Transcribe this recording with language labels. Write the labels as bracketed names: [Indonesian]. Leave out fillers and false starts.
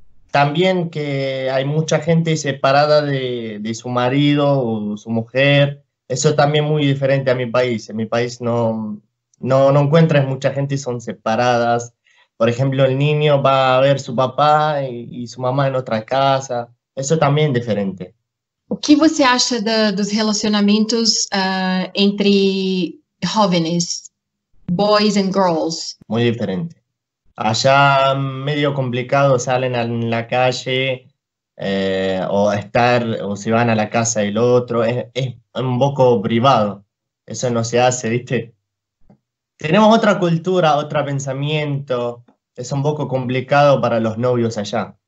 [Spanish] También que hay mucha gente separada de su marido o su mujer. Eso también muy diferente a mi país. En mi país no encuentras mucha gente y son separadas. Por ejemplo, el niño va a ver su papá y su mamá en otra casa. Eso también es diferente. [Portuguese] O que você acha dos relacionamentos entre jóvenes, [English] boys and girls? [Spanish] Muy diferente. Allá medio complicado salen a la calle o se van a la casa del otro. Es un poco privado. Eso no se hace, ¿viste? Tenemos otra cultura, otro pensamiento. Es un poco complicado para los novios allá.